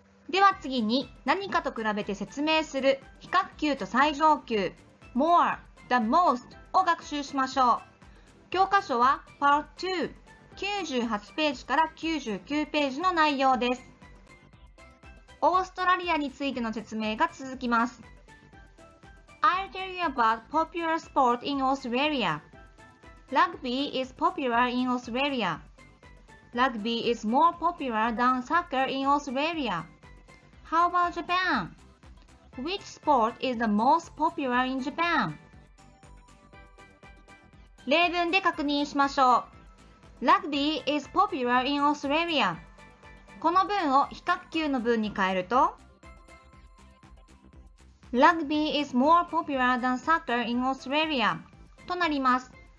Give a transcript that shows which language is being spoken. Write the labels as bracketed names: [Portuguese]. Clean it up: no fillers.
[Japanese] では次に何かと比べて説明する比較級と最上級 more,The most を学習しましょう。教科書は Part 2、98ページから99ページの内容です。オーストラリアについての説明が続きます。 [English] I'll tell you about popular sport in Australia. Rugby is popular in Australia. Rugby is more popular than soccer in Australia. How about Japan? Which sport is the most popular in Japan? [Japanese] 例文で確認しましょう。 [English] Rugby is popular in Australia. この文を比較級の文に変えると Rugby is more popular than soccer in Australia となります。